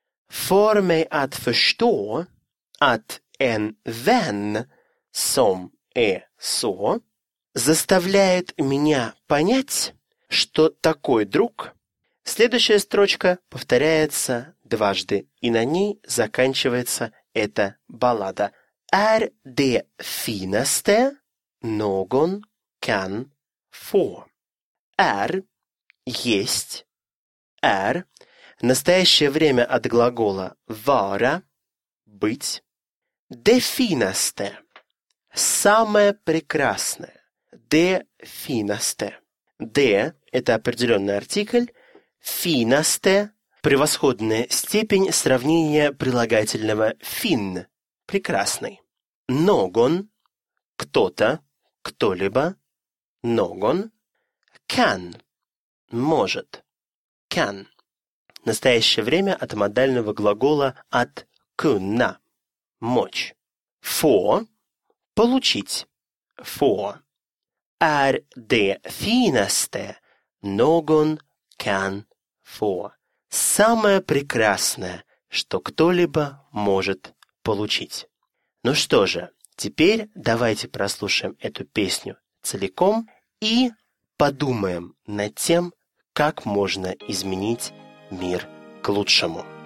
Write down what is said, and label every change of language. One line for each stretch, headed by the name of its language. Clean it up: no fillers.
Swedish: För mig att förstå att en vän som är så
Russian: заставляет меня понять, что такой друг. Следующая строчка повторяется дважды, и на ней заканчивается эта баллада.
Swedish: Är det finaste någon kan få? Är
Russian: есть.
Swedish: Är
Russian: настоящее время от глагола
Swedish: vara
Russian: быть.
Swedish: Det finaste
Russian: самое прекрасное.
Swedish: De finaste. De
Russian: – это определенный артикль.
Swedish: Finaste
Russian: – превосходная степень сравнения прилагательного
Swedish: fin
Russian: – прекрасный.
Swedish: Någon
Russian: – кто-то, кто-либо.
Swedish: Någon. Kan –
Russian: может.
Swedish: Kan
Russian: – настоящее время от модального глагола от
Swedish: kunna
Russian: – мочь.
Swedish: Få
Russian: – получить.
Swedish: Få. Är det finaste någon kan få?
Russian: Самое прекрасное, что кто-либо может получить. Ну что же, теперь давайте прослушаем эту песню целиком и подумаем над тем, как можно изменить мир к лучшему.